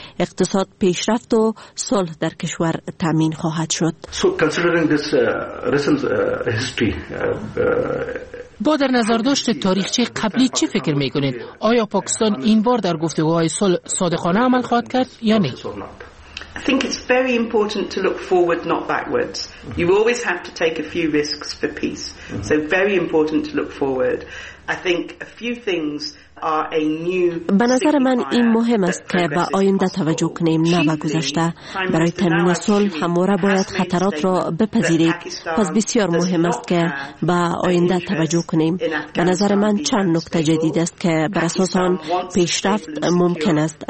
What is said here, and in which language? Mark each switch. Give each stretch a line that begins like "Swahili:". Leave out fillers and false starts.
Persian: اقتصاد پیشرفت و صلح در کشور تامین خواهد. با در نظر داشت تاریخچه قبلی چه فکر می کنید؟ آیا پاکستان این بار در گفتگوهای صلح صادقانه عمل خواهد کرد یا نه؟
English: I think it's very important to look forward, not backwards. You always have to take a few risks for peace. So very important to look forward. I think a few things are a new.
Persian: به نظر من این مهم است که به آینده توجه کنیم، نه به گذشته. برای تامین صلح همواره باید خطرات را بپذیرید. پس بسیار مهم است که به آینده توجه کنیم. به نظر من چند نکته جدید است که بر اساس آن پیشرفت ممکن است.